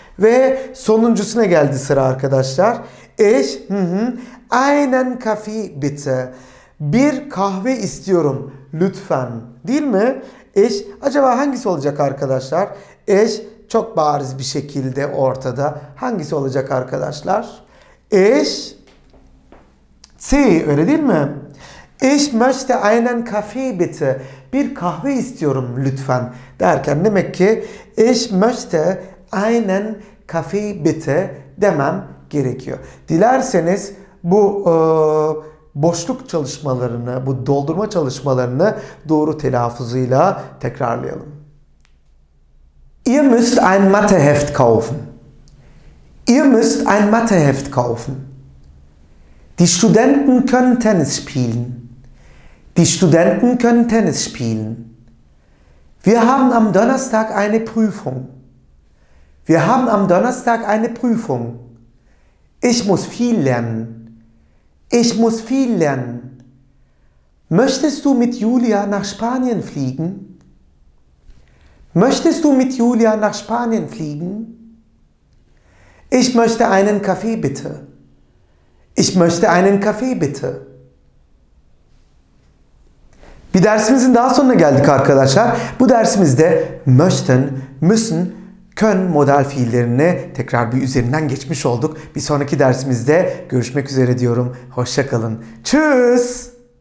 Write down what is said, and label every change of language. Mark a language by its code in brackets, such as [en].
[tr] Ve sonuncusuna geldi sıra arkadaşlar. [de] Ich einen Kaffee bitte. [tr] Bir kahve istiyorum lütfen. Değil mi? Ich, acaba hangisi olacak arkadaşlar? Ich, çok bariz bir şekilde ortada. Hangisi olacak arkadaşlar? Ich, C, öyle değil mi? [de] Ich möchte einen Kaffee bitte. [tr] Bir kahve istiyorum lütfen derken demek ki [de] Ich möchte einen Kaffee bitte [tr] demem gerekiyor. Dilerseniz bu boşluk çalışmalarını, bu doldurma çalışmalarını doğru telaffuzuyla tekrarlayalım. [de] Ihr müsst ein Matheheft kaufen. Ihr müsst ein Matheheft kaufen. Die Studenten können Tennis spielen. Die Studenten können Tennis spielen. Wir haben am Donnerstag eine Prüfung. Wir haben am Donnerstag eine Prüfung. Ich muss viel lernen. Ich muss viel lernen. Möchtest du mit Julia nach Spanien fliegen? Möchtest du mit Julia nach Spanien fliegen? Ich möchte einen Kaffee, bitte. Ich möchte einen Kaffee bitte. [tr] Bir dersimizin daha sonuna geldik arkadaşlar. Bu dersimizde möchten, müssen, können modal fiillerini tekrar bir üzerinden geçmiş olduk. Bir sonraki dersimizde görüşmek üzere diyorum. Hoşça kalın. Tschüss.